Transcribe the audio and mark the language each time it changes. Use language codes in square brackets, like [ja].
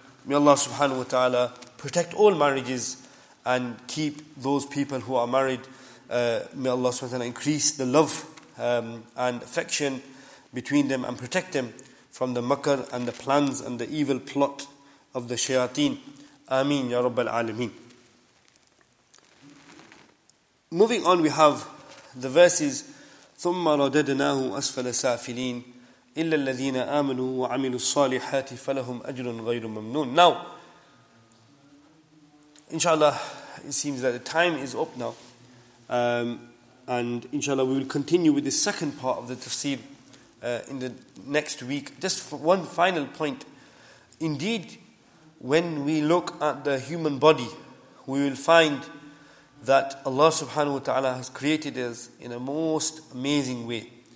[en] May Allah subhanahu wa ta'ala protect all marriages and keep those people who are married may Allah subhanahu wa ta'ala increase the love and affection between them and protect them from the makar and the plans and the evil plot of the shayateen. Ameen ya Rabbal Alameen. Moving on, we have the verses [ar] ثُمَّ رَدَدْنَاهُ أَسْفَلَ سَافِلِينَ إِلَّا الَّذِينَ آمَنُوا وَعَمِلُوا الصَّالِحَاتِ فَلَهُمْ أَجْرٌ غَيْرُ مَمْنُونَ. [en] Now, inshallah, it seems that the time is up now. And inshallah, we will continue with the second part of the tafsir in the next week. Just for one final point. Indeed, when we look at the human body, we will find that Allah subhanahu wa ta'ala has created us in a most amazing way.